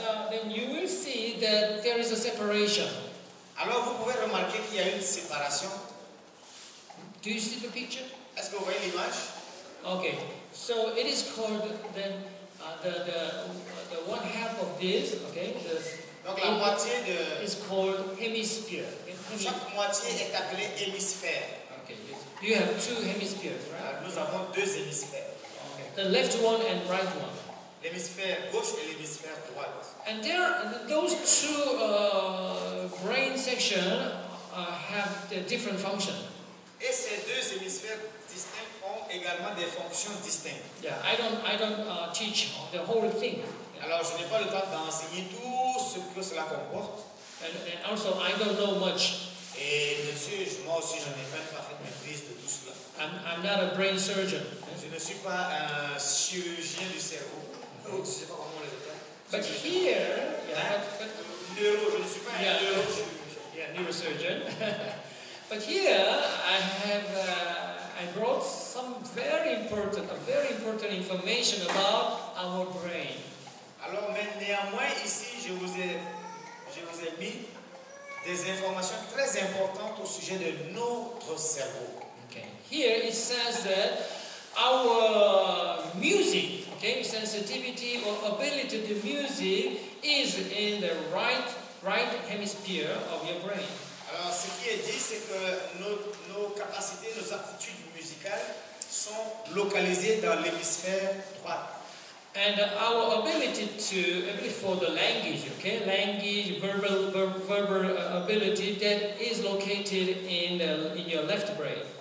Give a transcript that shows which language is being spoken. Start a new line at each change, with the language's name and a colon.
English: Then you will see that there is a separation.
French: Alors vous pouvez remarquer qu'il y a une séparation.
English: Do you see the picture?
French: Est-ce que vous voyez l'image?
English: Okay. So it is called then the one half of this, okay?
French: Donc la moitié de
English: is called hemisphere.
French: Chaque moitié est appelée hémisphère.
English: Okay. Yes. You have two hemispheres, right?
French: Nous avons deux hémisphères.
English: Okay. The left one and right one.
French: L'hémisphère gauche et l'hémisphère droite.
English: And there, those two brain section have the different function.
French: Et ces deux hémisphères distincts ont également des fonctions distinctes.
English: Yeah, I don't teach the whole thing.
French: Alors, je n'ai pas le temps d'enseigner tout ce que cela comporte.
English: And also, I don't know much.
French: Et bien sûr, moi aussi, je n'ai pas une parfaite maîtrise de tout cela.
English: I'm not a brain surgeon.
French: Je ne suis pas un chirurgien du cerveau. Je ne sais pas comment les appeler.
English: But here, hein?
French: Je ne suis pas un neurochirurgien.
English: Yeah, neurosurgeon. But here I have I brought some very important information about our brain.
French: Alors mais néanmoins ici je vous ai mis des informations très importantes au sujet de notre cerveau.
English: Okay. Here it says that our music, okay, sensitivity or ability to music is in the right hemisphere of your brain.
French: Alors, ce qui est dit, c'est que nos capacités, nos aptitudes musicales sont localisées dans l'hémisphère droit.
English: And our ability to, for the language, okay, language, verbal ability, that is located in your left brain.